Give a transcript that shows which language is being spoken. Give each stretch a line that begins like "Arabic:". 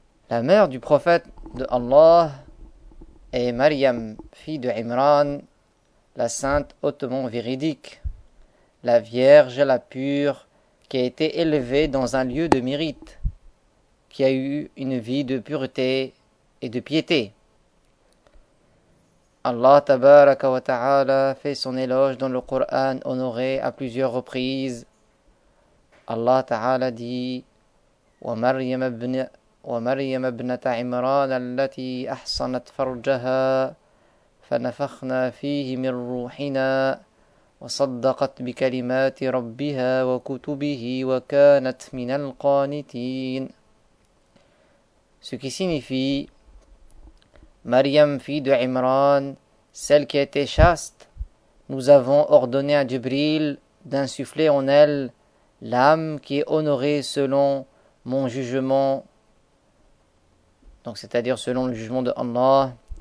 French: La mère du prophète de Allah est Maryam, fille de Imran, la sainte hautement véridique, la vierge la pure qui a été élevée dans un lieu de mérite, qui a eu une vie de pureté et de piété. Allah tabaraka wa ta'ala fait son éloge dans le Coran honoré à plusieurs reprises. Allah ta'ala dit:
Arabic: wa Maryam ibnata Imran allati ahsanat farjaha فنفخنا فيه من روحنا وصدقت بكلمات ربها وكتبه وكانت من القانتين.
French: Ce qui signifie: Maryam, fille de Imran, celle qui était chaste, nous avons ordonné à Jibril d'insuffler en elle l'âme qui est honorée selon mon jugement, donc c'est-à-dire selon le jugement de Allah.